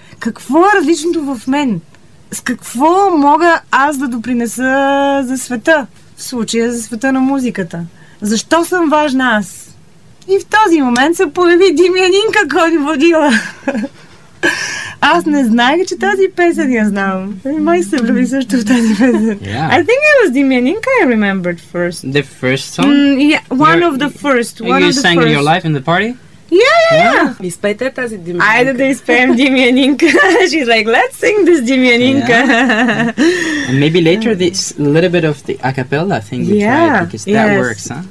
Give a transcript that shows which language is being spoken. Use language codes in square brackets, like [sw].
[bg] Какво е различното в мен? С какво мога аз да допринеса за света? В случая за света на музиката. Защо съм важна аз? И в този момент се появи Димя Нинка, който водила. Аз не знаех, че тази песен я знам. Май се влюби също в тази песен. [en] Yeah. I think it was Димя Нинка I remembered first. The first song? One of the first. You sang in your life in the party? Yeah. [bg] Изпейте тази Димя Нинка. Айде да изпеем Димя Нинка. [en] She's like, let's sing this Димя Нинка. Yeah. And maybe later this little bit of the a cappella thing we try, because that works, huh?